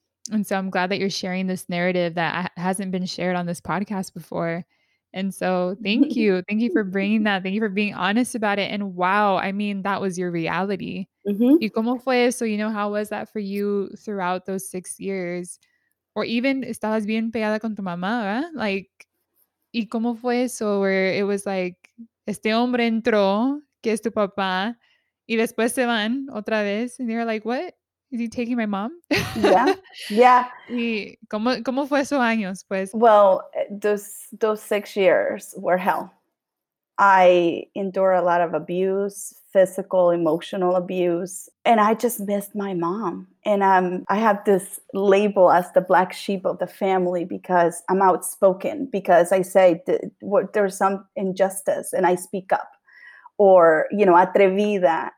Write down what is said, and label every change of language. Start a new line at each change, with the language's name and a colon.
English: And so I'm glad that you're sharing this narrative that hasn't been shared on this podcast before. And so thank you. Thank you for bringing that. Thank you for being honest about it. And wow, I mean, that was your reality. Mm-hmm.
Spanish: ¿Y cómo fue eso?
English: You know, how was that for you throughout those 6 years? Or even,
Spanish: ¿estabas bien pegada con tu mamá, ¿eh? Like, ¿y cómo fue eso?
English: Where it was like,
Spanish: este hombre entró, que es tu papá, y después se van otra vez.
English: And you're like, what? Is he taking my mom? Yeah.
Spanish: ¿Y cómo fue esos años, pues?
English: Well, those 6 years were hell. I endure a lot of abuse, physical, emotional abuse, and I just missed my mom. And I have this label as the black sheep of the family because I'm outspoken, because I say there's some injustice and I speak up, or, you know, atrevida.